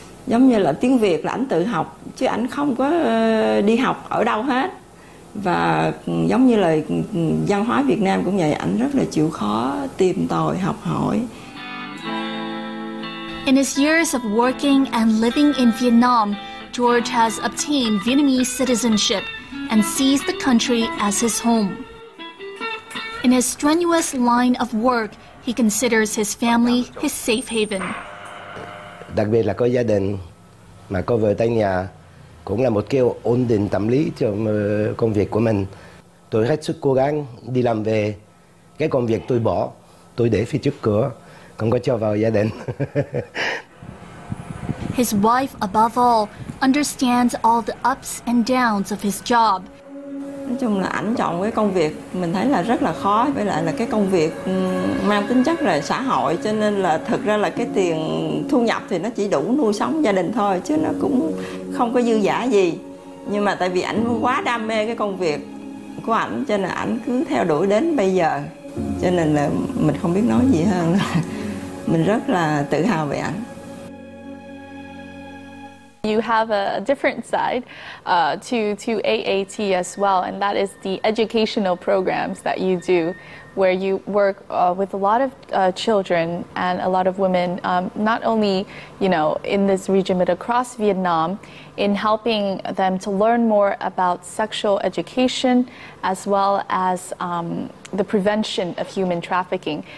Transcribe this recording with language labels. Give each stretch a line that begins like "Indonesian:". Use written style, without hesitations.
Vietnamese: Giống như là tiếng Việt là ảnh tự học, chứ ảnh không có đi học ở đâu hết. Và giống như là văn hóa Việt Nam cũng vậy, ảnh rất là chịu khó tìm tòi học hỏi.
English: In his years of working and living in Vietnam, George has obtained Vietnamese citizenship and sees the country as his home. In his strenuous line of work, he considers his family his safe haven.
Vietnamese: Đặc biệt là có gia đình, mà có vợ tại nhà cũng là một cái ổn định tâm lý cho công việc của mình. Tôi hết sức cố gắng đi làm về, cái công việc tôi bỏ, tôi để phía trước cửa, không có cho vào gia đình.
English: His wife, above all, understands all the ups and downs of his job.
Vietnamese: Nói chung là ảnh chọn cái công việc mình thấy là rất là khó, với lại là cái công việc mang tính chất là xã hội, cho nên là thực ra là cái tiền thu nhập thì nó chỉ đủ nuôi sống gia đình thôi, chứ nó cũng không có dư giả gì. Nhưng mà tại vì ảnh quá đam mê cái công việc của ảnh, cho nên ảnh cứ theo đuổi đến bây giờ, cho nên là mình không biết nói gì hơn. Mình rất là tự hào về ảnh.
English: You have a different side to AAT as well, and that is the educational programs that you do, where you work with a lot of children and a lot of women, not only, you know, in this region but across Vietnam, in helping them to learn more about sexual education as well as the prevention of human trafficking.